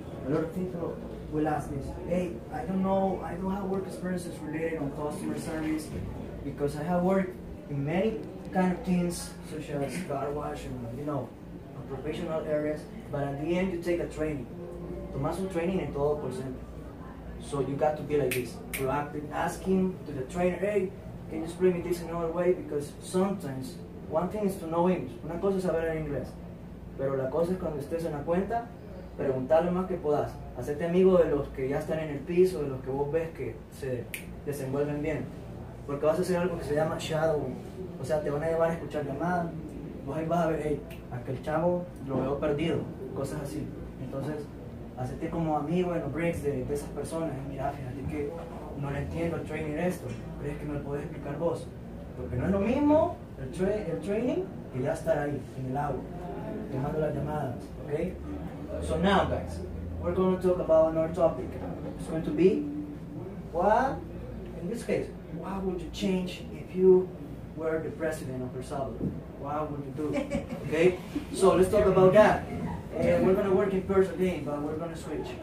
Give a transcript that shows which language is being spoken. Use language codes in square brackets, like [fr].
[en] A lot of people will ask me, hey, I don't know, I don't have work experiences related on customer service because I have worked in many kind of teams such as car wash and, you know, professional areas, but at the end you take a training. [es] Tomas un training en todo por ejemplo. [en] So you got to be like this. You have been asking to the trainer, hey, can you explain me this in another way? Because sometimes, one thing is to know English, [es] una cosa es saber en inglés, pero la cosa es cuando estés en la cuenta, preguntarle más que puedas, hacerte amigo de los que ya están en el piso, de los que vos ves que se desenvuelven bien, porque vas a hacer algo que se llama shadowing, o sea, te van a llevar a escuchar llamadas, vos ahí vas a ver, hey, aquel chavo lo veo perdido, cosas así. Entonces, hacerte como amigo en los breaks de esas personas, y mira, fíjate que no le entiendo el training esto, ¿crees que me lo podés explicar vos? Porque no es lo mismo el training que ya estar ahí, en el agua, dejando las llamadas, ¿ok? [en] So now, guys, we're going to talk about another topic. It's going to be, in this case, what would you change if you were the president of El Salvador? What would you do? Okay? So let's talk about that. We're going to work in person again, but we're going to switch.